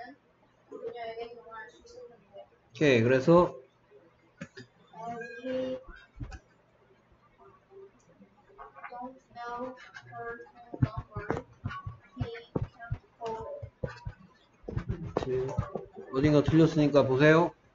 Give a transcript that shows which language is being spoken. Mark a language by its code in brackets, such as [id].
[ko] 알면 그는 그녀에게 전화할 수 있을 텐데. 오케이, 그래서 [en] if he don't know her phone number, he can't call. [ko] 어딘가 틀렸으니까 보세요.